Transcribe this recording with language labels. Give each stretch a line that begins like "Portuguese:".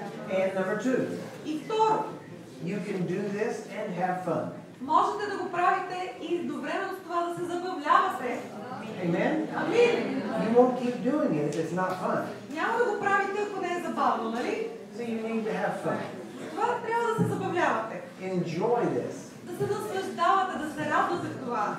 English: And number two, you can do this and have fun.
Bulgarian: Можете да го правите и едновременно с това да се забавлявате.
English: Amen.
Bulgarian: Амин.
English: You won't keep doing it if it's not fun.
Bulgarian: Няма да го правите, ако не е забавно, нали?
English: So you need to have fun.
Bulgarian: Това трябва да се забавлявате.
English: Enjoy this.
Bulgarian: Да се наслаждавате, да се радвате в това.